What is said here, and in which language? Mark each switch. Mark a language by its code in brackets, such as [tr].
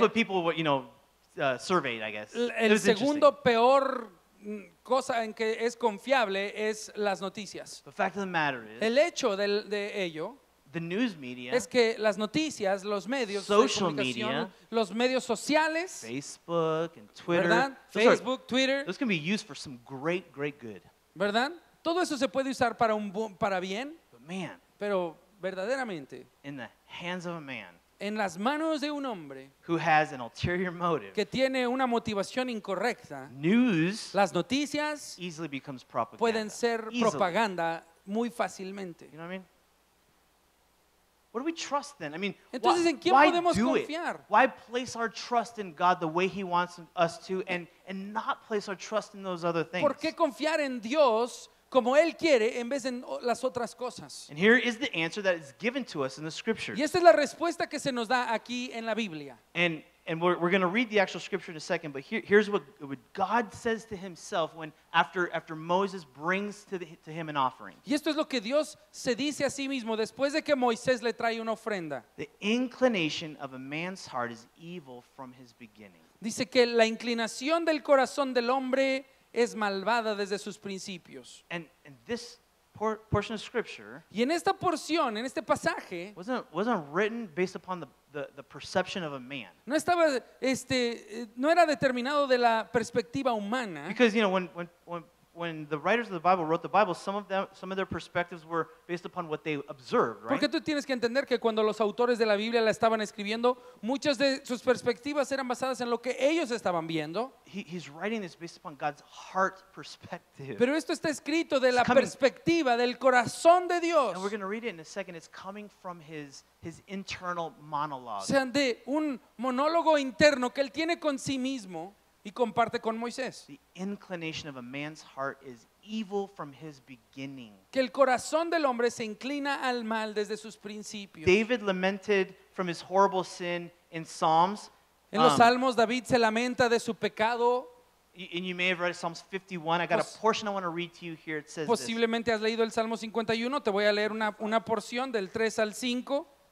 [en] what people, you know, surveyed, I guess. [es] El segundo peor cosa en que es confiable es las noticias. [en] The fact of the matter is, [es] el hecho de ello, [en] the news media, [es] es que las noticias, los medios, [en] social media, [es] los medios sociales, [en] Facebook and Twitter, [es] ¿verdad? Facebook, Twitter, [en] those can be used for some great, great good. [es] ¿Verdad? Todo eso se puede usar para un para bien, [en] man, [es] pero verdaderamente [en] in the hands of a man, [es] en las manos de un hombre [en] who has an ulterior motive, [es] que tiene una motivación incorrecta, [en] news, [es] las noticias [en] easily becomes propaganda, [es] pueden ser [en] easily. [es] Propaganda muy fácilmente. [en] You know what I mean? What do we trust then? I mean, [es] entonces, ¿en quién [en] why [es] podemos [en] do [es] confiar? [en] It? Why place our trust in God the way He wants us to and not place our trust in those other things? [es] ¿Por qué confiar en Dios como Él quiere en vez de las otras cosas? [en] And here is the answer that is given to us in the scripture. [es] Y esta es la respuesta que se nos da aquí en la Biblia. [en] And we're going to read the actual scripture in a second, but here's what God says to himself when after Moses brings to him an offering. [es] Y esto es lo que Dios se dice a sí mismo después de que Moisés le trae una ofrenda. [en] The inclination of a man's heart is evil from his beginning. [es] Dice que la inclinación del corazón del hombre es malvada desde sus principios. [en] And this portion of scripture, [es] y en esta porción, en este pasaje, [en] wasn't written based upon the perception of a man. [es] No estaba no era determinado de la perspectiva humana. [en] Because you know when the writers of the Bible wrote the Bible, some of their perspectives were based upon what they observed, right? [es] Porque tú tienes que entender que cuando los autores de la Biblia la estaban escribiendo, muchas de sus perspectivas eran basadas en lo que ellos estaban viendo. [en] He's writing this based upon God's heart perspective. [es] Pero esto está escrito de la perspectiva del corazón de Dios. [en] And we're going to read it in a second. It's coming from his internal monologue. [es] O sea, de un monólogo interno que él tiene con sí mismo. Y comparte con Moisés. [en] The inclination of a man's heart is evil from his beginning. [es] Que el corazón del hombre se inclina al mal desde sus principios. [en] David lamented from his horrible sin in Psalms. [es] En los Salmos David se lamenta de su pecado. [en] And you may have read Psalms 51. I got a portion I want to read to you here. It says [es] posiblemente [en] this. [es] Has leído el Salmo 51. Te voy a leer una porción del 3 al 5.